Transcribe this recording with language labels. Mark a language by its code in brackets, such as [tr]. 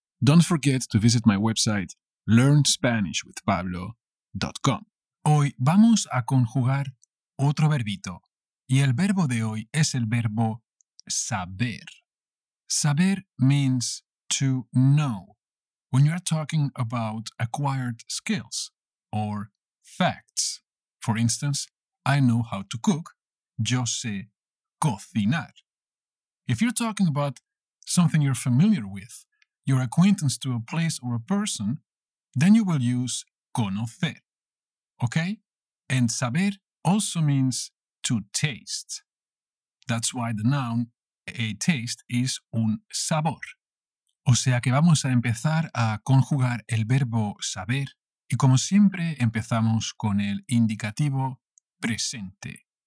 [en] Don't forget to visit my website learnspanishwithpablo.com. [es] Hoy vamos a conjugar otro verbito y el verbo de hoy es el verbo saber. [en] Saber means to know when you're talking about acquired skills or facts. For instance, I know how to cook, [es] yo sé cocinar. [en] If you're talking about something you're familiar with, your acquaintance to a place or a person, then you will use conocer, okay? And saber also means to taste. That's why the noun a taste is [es] un sabor. O sea que vamos a empezar a conjugar el verbo saber y como siempre empezamos con el indicativo presente.